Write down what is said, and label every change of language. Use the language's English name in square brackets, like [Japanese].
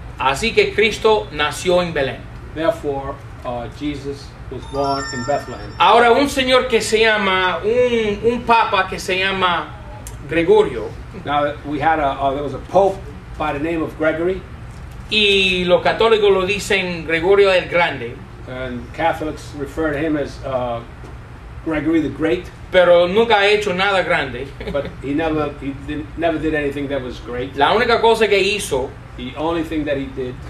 [Spanish] Así que Cristo nació en Belén. [English] Therefore, Jesus was born in Bethlehem. [Spanish] Ahora un señor que se llama un papa que se llama Gregorio. [English] Now we had there was a pope by the name of Gregory. [Spanish] Y los católicos lo dicen Gregorio el Grande. [English] And Catholics refer to him as Gregory the Great. [Spanish] Pero nunca ha hecho nada grande. [English] But he never did anything that was great. [Spanish] La única cosa que hizo. [English] The only thing that he did.